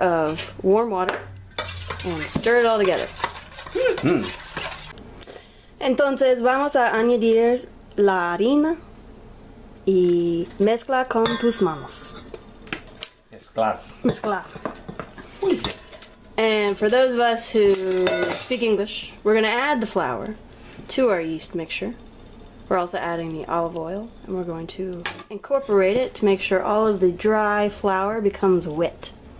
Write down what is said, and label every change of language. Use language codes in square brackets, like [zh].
[en] of warm water, and stir it all together. [es] Entonces vamos a añadir la harina y mezcla con tus manos. Mezclar. [en] And for those of us who speak English, we're going to add the flour to our yeast mixture. We're also adding the olive oil, and we're going to incorporate it to make sure all of the dry flour becomes wet.